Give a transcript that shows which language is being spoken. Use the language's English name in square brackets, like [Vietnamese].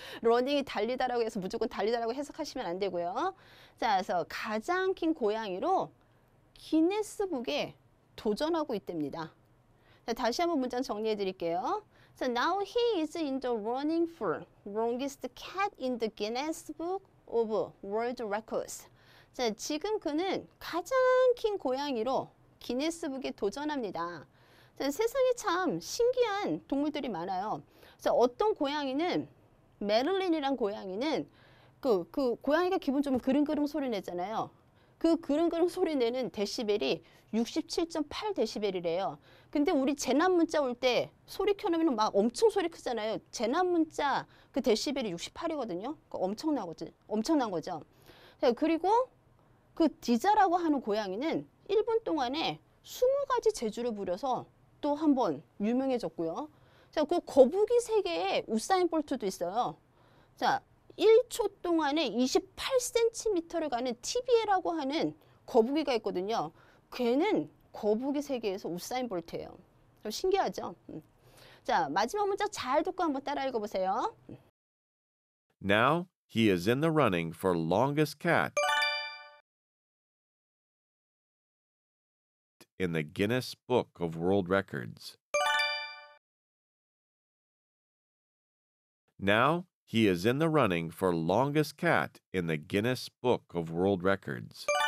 [Korean] 러닝이 달리다라고 해서 무조건 달리다라고 해석하시면 안 되고요. 자, 그래서 가장 긴 고양이로 기네스북에 도전하고 있답니다. 자, 다시 한번 문장 정리해 드릴게요. [English] So now he is in the running for longest cat in the Guinness Book of World Records. [Korean] 자, 지금 그는 가장 긴 고양이로 기네스북에 도전합니다. 자, 세상에 참 신기한 동물들이 많아요. 어떤 고양이는 메를린이란 고양이는 그 고양이가 기분 좋으면 그릉그릉 소리 내잖아요. 그 그릉그릉 소리 내는 데시벨이 67.8데시벨이래요. 근데 우리 재난 문자 올 때 소리 켜놓으면 막 엄청 소리 크잖아요. 재난 문자 그 데시벨이 68이거든요. 엄청난 거죠. 그리고 그 디자라고 하는 고양이는 1분 동안에 20가지 재주를 부려서 또 한 번 유명해졌고요. 자, 그 거북이 세계에 우사인 볼트도 있어요. 자, 1초 동안에 28cm를 가는 TBA라고 하는 거북이가 있거든요. 걔는 거북이 세계에서 우사인 볼트예요. 좀 신기하죠? 자, 마지막 문자 잘 듣고 한번 따라 읽어보세요. [English] Now he is in the running for longest cat in the Guinness Book of World Records. Now he is in the running for longest cat in the Guinness Book of World Records.